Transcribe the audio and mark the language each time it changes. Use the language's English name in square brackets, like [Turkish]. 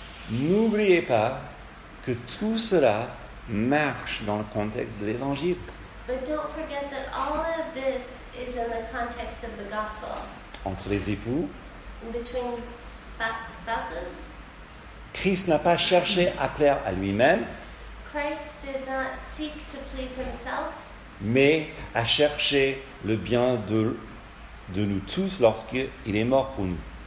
[French] n'oubliez pas que tout cela marche dans le contexte de l'évangile. [English] But don't forget that all of this is in the context of the gospel. [French] Entre les époux. [English] Between spouses. [French] Christ n'a pas cherché à plaire à lui-même. [English] Christ did not seek to please himself. [French] Mais a cherché le bien de nous tous lorsqu'il est mort pour nous.